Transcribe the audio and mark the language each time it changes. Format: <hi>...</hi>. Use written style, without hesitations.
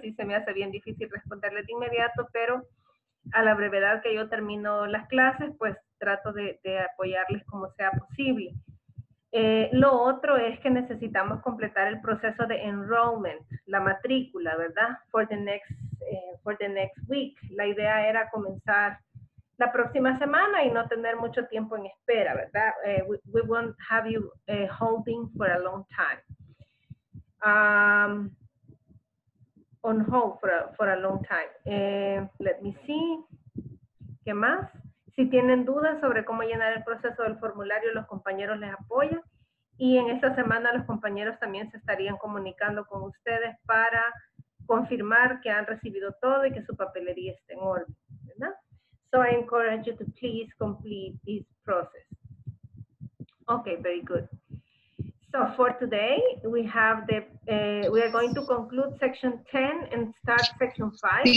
<es>Sí, se me hace bien difícil responderles de inmediato, pero a la brevedad que yo termino las clases, pues trato de apoyarles como sea posible. Lo otro es que necesitamos completar el proceso de enrollment, la matrícula, ¿verdad?</es> <en>For the next week.</en> <es>La idea era comenzar la próxima semana y no tener mucho tiempo en espera, ¿verdad?</es> <en>We won't have you holding for a long time. On hold for a long time. Let me see.</en> <es>¿Qué más? Si tienen dudas sobre cómo llenar el proceso del formulario, los compañeros les apoyan. Y en esta semana los compañeros también se estarían comunicando con ustedes para confirmar que han recibido todo y que su papelería está en orden, ¿verdad?</es> <en>So I encourage you to please complete this process. Okay, very good. So for today, we have the, we are going to conclude section 10 and start section 5.</en>